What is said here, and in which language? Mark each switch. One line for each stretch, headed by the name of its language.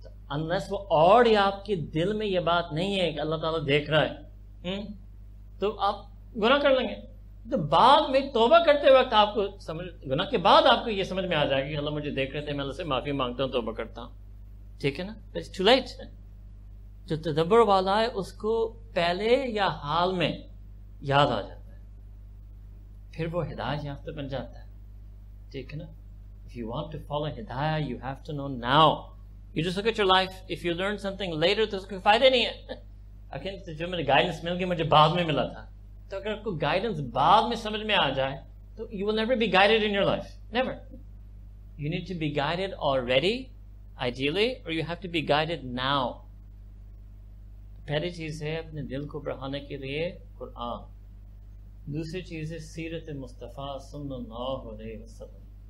Urdu: unless وہ اور آپ کے دل میں یہ بات نہیں ہے کہ اللہ تعالیٰ دیکھ رہا ہے تو آپ گناہ کر لیں گے تو بعد میں توبہ کرتے وقت آپ کو سمجھ گناہ کے بعد آپ کو یہ سمجھ میں آ جائے گا کہ اللہ مجھے دیکھ رہے تھے میں اللہ سے معافی مانگتا ہوں توبہ کرتا ہوں ٹھیک ہے نا
English: to light
Urdu: جو تدبر والا ہے اس کو پہلے یا حال میں یاد آ جاتا ہے, پھر وہ ہدایت یافتہ بن جاتا ہے. ٹھیک ہے نا,
English: if you want to follow hidayah you have to know now. You just look at your life, if you learn something later
Urdu: تو اس کو فائدہ نہیں ہے. اگر جو میں نے گائیڈنس مل گئی مجھے بعد میں ملا تھا, تو اگر آپ کو گائیڈنس بعد میں سمجھ میں آ جائے تو
English: You will never be guided in your life, never. You need to be guided already ideally, اور you have to be guided now.
Urdu: پہلی چیز ہے اپنے دل کو بڑھانے کے لیے قرآن, دوسری چیز ہے سیرت مصطفیٰ صلی اللہ علیہ وسلم.